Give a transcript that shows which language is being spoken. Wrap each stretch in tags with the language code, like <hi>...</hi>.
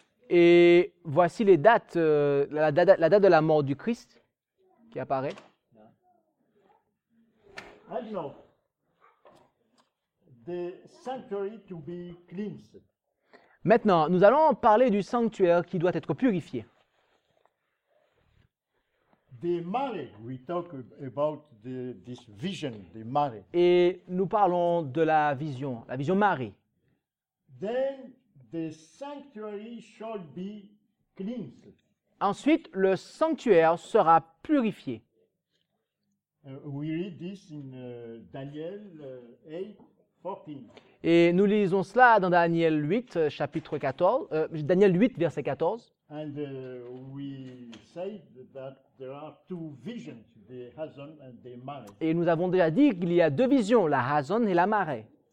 <fr>Et voici les dates, la date de la mort du Christ qui apparaît.</fr> <en>And now, the sanctuary to be cleansed.</en> <fr>Maintenant, nous allons parler du sanctuaire qui doit être purifié.</fr> <en>The mare, we talk about this vision, the mare.</en> <fr>Et nous parlons de la vision mare.</fr> <en>Then the sanctuary shall be cleansed.</en> <fr>Ensuite, le sanctuaire sera purifié.</fr> <en>We read this in Daniel 8, 14.</en> <fr>Et nous lisons cela dans Daniel 8, chapitre 14, Daniel 8, verset 14.</fr> <en>And we say that there are two visions, the Hazon and the Mare.</en> <fr>Et nous avons déjà dit qu'il y a deux visions, la Hazon et la Mare.</fr>